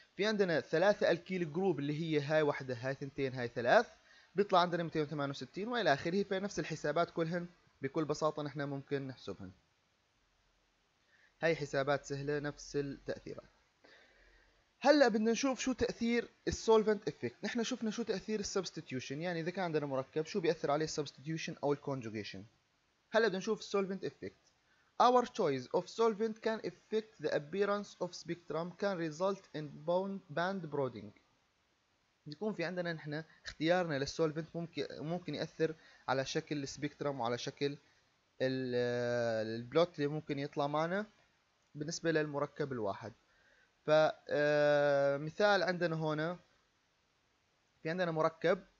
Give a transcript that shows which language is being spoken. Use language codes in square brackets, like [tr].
[ar] في عندنا ثلاثة الكيل جروب اللي هي هاي واحدة هاي ثنتين هاي ثلاث بيطلع عندنا 268 وإلى آخره، في نفس الحسابات كلهن بكل بساطة نحن ممكن نحسبهن. هاي حسابات سهلة نفس التأثيرات. هلأ بدنا نشوف شو تأثير السولفنت إفكت. نحن شفنا شو تأثير السبستيتيوشن، يعني إذا كان عندنا مركب شو بيأثر عليه السبستيتيوشن أو الكونجوجيشن. هلأ بدنا نشوف السولفنت إفكت. [en] Our choice of solvent can affect the appearance of spectrum can result in band broadening. [ar] يكون في عندنا نحن اختيارنا للسولفنت ممكن يأثر على شكل السبيكترم وعلى شكل البلوت اللي ممكن يطلع معنا بالنسبة للمركب الواحد. فمثال عندنا هنا، في عندنا مركب